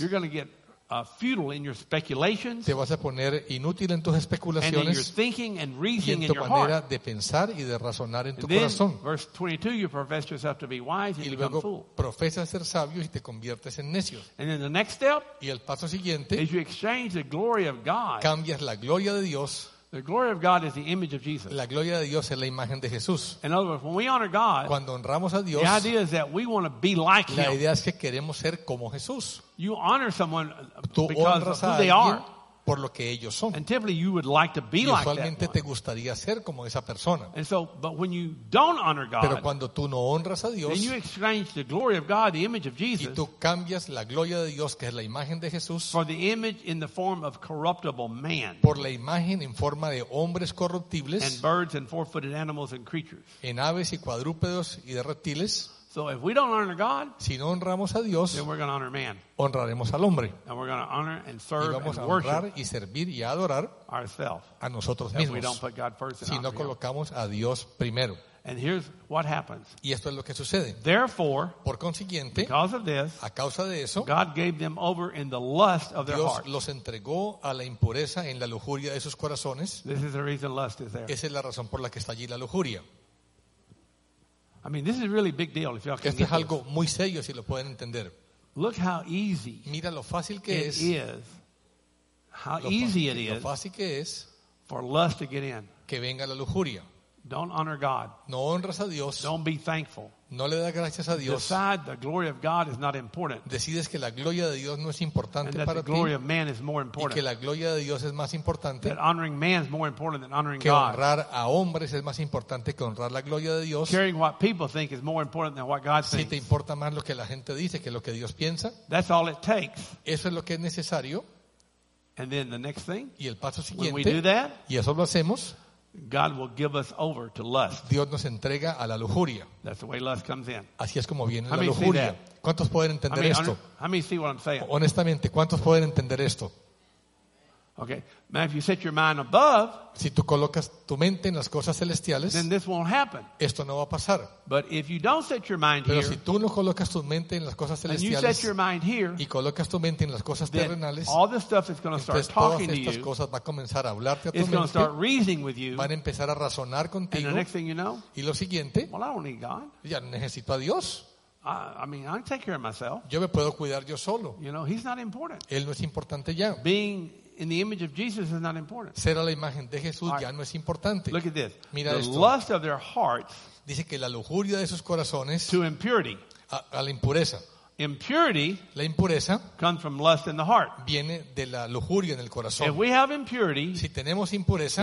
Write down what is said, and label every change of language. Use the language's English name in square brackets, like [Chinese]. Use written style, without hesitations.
[English] you're going to get futile in your speculations. [Spanish] Te vas a poner inútil en tus especulaciones. [English] And in your thinking and reasoning [Spanish] Y en tu manera de pensar y de razonar en tu corazón. [English] Verse 22, you profess yourself to be wise and become fool. [Spanish] Y luego profesas ser sabio y te conviertes en necio. [English] And then the next step. [Spanish] Y el paso siguiente. [English] Is you exchange the glory of God. [Spanish] Cambias la gloria de Dios. [English] The glory of God is the image of Jesus. [Spanish] La gloria de Dios es la imagen de Jesús. [English] In other words, when we honor God, [Spanish] cuando honramos a Dios, [English] the idea is that we want to be like [Spanish] la [English] him. [Spanish] Idea es que queremos ser como Jesús. [English] You honor someone [Spanish] tú [English] because of who they are. [Spanish] Por lo que ellos son. [English] And typically you would like to be like that. [Spanish] Usualmente te gustaría ser como esa persona. [English] And so, but when you don't honor God, [Spanish] pero cuando tú no honras a Dios, [English] then you exchange the glory of God, the image of Jesus, [Spanish] y tú cambias la gloria de Dios, que es la imagen de Jesús, [English] for the image in the form of corruptible man, [Spanish] por la imagen en forma de hombres corruptibles, [English] and birds and four-footed animals and creatures, [Spanish] en aves y cuadrúpedos y de reptiles. [English] So if we don't honor God, [Spanish] si no honramos a Dios, [English] then we're going to honor man. [Spanish] Honraremos al hombre. [English] And we're going to honor and serve and worship. [Spanish] Y vamos a honrar y servir y adorar [English] ourselves. [Spanish] A nosotros mismos. [English] If we don't put God first, [Spanish] si no colocamos a Dios primero. [English] And here's what happens. [Spanish] Y esto es lo que sucede. [English] Therefore, [Spanish] por consiguiente, [English] because of this, [Spanish] a causa de eso, [English] God gave them over in the lust of their hearts. [Spanish] Dios los entregó a la impureza en la lujuria de sus corazones. [English] This is the reason lust is there. [Spanish] Esa es la razón por la que está allí la lujuria. [English] I mean, this is really a big deal if y'all can [Spanish] esto es algo muy serio si lo pueden entender. [English] Look how easy. [Spanish] Mira lo fácil que [English] it [Spanish] es. [English] Is. How lo easy [Spanish] fácil, [English] it is. [Spanish] Lo fácil que es. [English] For lust to get in. [Spanish] Que venga la lujuria. [English] Don't honor God. [Spanish] No honras a Dios. [English] Don't be thankful. [Spanish] No le das gracias a Dios. [English] Decide the glory of God is not important. [Spanish] Decides que la gloria de Dios no es importante para ti. [English] And the glory of man is more important. [Spanish] Y que la gloria de Dios es más importante. [English] That honoring man is more important than honoring God. [Spanish] Que honrar a hombres es más importante que honrar la gloria de Dios. [English] Caring what people think is more important than what God thinks. [Spanish] Si te importa más lo que la gente dice que lo que Dios piensa. [English] That's all it takes. [Spanish] Eso es lo que es necesario. [English] And then the next thing. [Spanish] Y el paso siguiente. [English] When we do that. [Spanish] Y eso lo hacemos. [English] God will give us over to lust. [Spanish] Dios nos entrega a la lujuria. [English] That's the way lust comes in. [Spanish] Así es como viene la lujuria. ¿Cuántos pueden entender esto? [English] How many see what I'm saying? [Spanish] Honestamente, ¿cuántos pueden entender esto? [English] Okay. Now if you set your mind above, [Spanish] si tú colocas tu mente en las cosas celestiales, [English] then this won't happen. [Spanish] Esto no va a pasar. [English] But if you don't set your mind [Spanish] pero [English] here, [Spanish] si tú no colocas tu mente en las cosas celestiales, [English] and you set your mind here, [Spanish] y colocas tu mente en las cosas terrenales, [English] all this stuff is going to start talking to you. [Spanish] Estas cosas va a comenzar a hablarte a tu mente. [English] It's going to start reasoning with you. [Spanish] Van a empezar a razonar contigo. [English] And the next thing you know, [Spanish] y lo siguiente, [English] well, I don't need God. [Spanish] Ya necesito a Dios. [English] I take care of myself. [Spanish] Yo me puedo cuidar yo solo. [English] You know, he's not important. [Spanish] Él no es importante ya. [English] Being in the image of Jesus is not important. [Spanish] Ser a la imagen de Jesús ya no es importante. [English] Look at this. [Spanish] Mira [English] the [Spanish] esto. [English] Lust of their hearts. [Spanish] Dice que la lujuria de sus corazones. [English] To impurity. [Spanish] A la impureza. [English] Impurity. [Spanish] La impureza. [English] Comes from lust in the heart. [Spanish] Viene de la lujuria en el corazón. [English] If we have impurity. [Spanish] Si tenemos impureza.